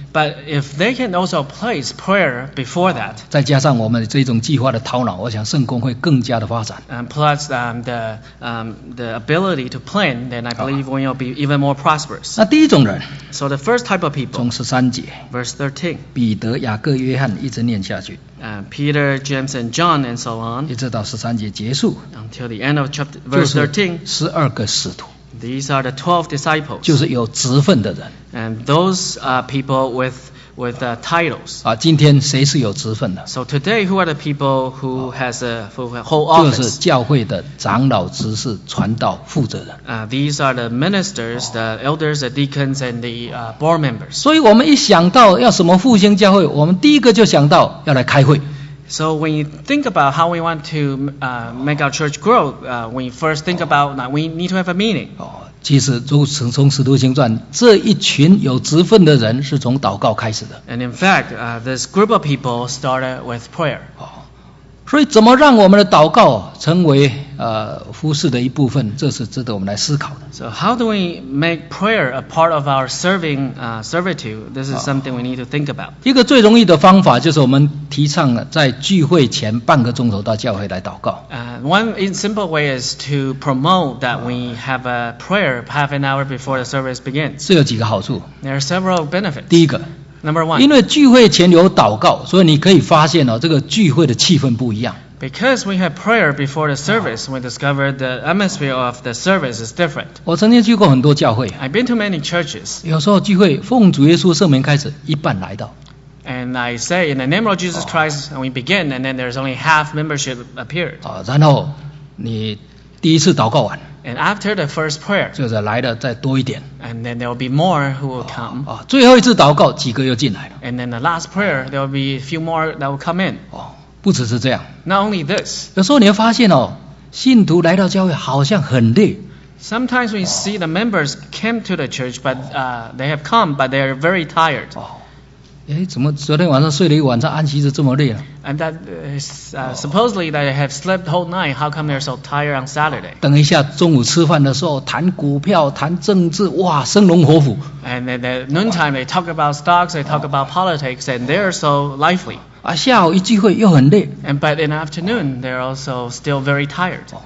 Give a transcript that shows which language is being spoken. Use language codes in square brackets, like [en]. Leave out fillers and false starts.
[en] But if they can also place prayer before that, [zh] 再加上我们这种计划的头脑，我想圣工会更加的发展。 [en] And plus the ability to plan, then I believe we will be even more prosperous. [zh] 那第一种人。 [en] So the first type of people. [zh] 从十三节。 [en] Verse 13. [zh] 彼得、雅各、约翰一直念下去。 [en] Peter, James, and John, and so on. [zh] 一直到十三节结束。 [en] Until the end of chapter verse 13. [zh] 十二个使徒。 [en] These are the 12 disciples. [zh] 就是有职分的人。 [en] And those are people with the titles. [zh] 啊，今天谁是有职分的 [en] ？So today, who are the people who has a whole office? [zh] 就是教会的长老、执事、传道、负责人。 [en] These are the ministers, the elders, the deacons, and the board members. [zh] 所以我们一想到要什么复兴教会，我们第一个就想到要来开会。 [en] So when you think about how we want to make our church grow, when you first think about that, we need to have a meeting. [zh] 其实从使徒行传这一群有职分的人是从祷告开始的。 [en] And in fact, this group of people started with prayer. [zh] 所以怎么让我们的祷告成为服事的一部分，这是值得我们来思考的。 [en] So how do we make prayer a part of our serving servitude? This is something we need to think about. [zh] 一个最容易的方法就是我们提倡在聚会前半个钟头到教会来祷告。 [en] One simple way is to promote that we have a prayer half an hour before the service begins. [zh] 这有几个好处。 [en] There are several benefits. [zh] 第一个。 [en] Number one, [zh] 因为聚会前有祷告，所以你可以发现这个聚会的气氛不一样。 [en] Because we have prayer before the service, we discovered the atmosphere of the service is different. [zh] 我曾经去过很多教会。 [en] I've been to many churches. [zh] 有时候聚会奉主耶稣圣名开始，一半来到。 [en] And I say in the name of Jesus Christ, we begin, and then there's only half membership appeared. [zh] 然后你第一次祷告完。 [en] And after the first prayer, [zh] 就是来的再多一点。 [en] And then there will be more who will come. [zh] 最后一次祷告，几个又进来了。 [en] And then the last prayer, there will be a few more that will come in. [zh] 不只是这样。 [en] Not only this. [zh] 有时候你会发现信徒来到教会好像很累。 [en] Sometimes we see the members came to the church, but they have come, but they are very tired. [zh] 怎么昨天晚上睡了一晚上，安息日这么累了？ [en] And that supposedly that they have slept whole night. How come they're so tired on Saturday? [zh] 等一下中午吃饭的时候谈股票谈政治，哇，生龙活虎。 [en] And then at noontime they talk about stocks, they talk about politics, and they're so lively. [zh] 下午一聚会又很累。 [en] And but in afternoon they're also still very tired.